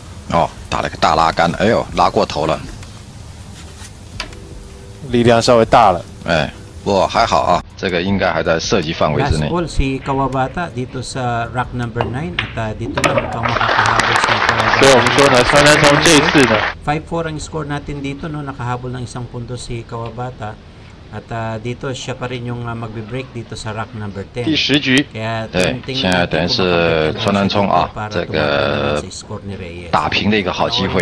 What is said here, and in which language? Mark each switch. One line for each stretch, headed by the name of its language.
Chinese: 哦，打了个大拉杆，哎呦，拉过头了。力量稍微大了，哎，不过还好啊，这个应该还在射击范围之内。
English: Last ball
Filipino: si Kawabata dito sa
English: rack number 9
Filipino: at dito na mukhang makakahabol si Kawabata.
Chinese: 对，我们说呢，川南聪这一次呢
Filipino: 5-4 ang score natin dito, no, nakahabol ng isang punto si Kawabata at dito siya pa rin yung magbe-break dito sa
English: rack number 10.
Chinese: 第十局，对，现在等于是川南聪啊，这个打平的一个好机会。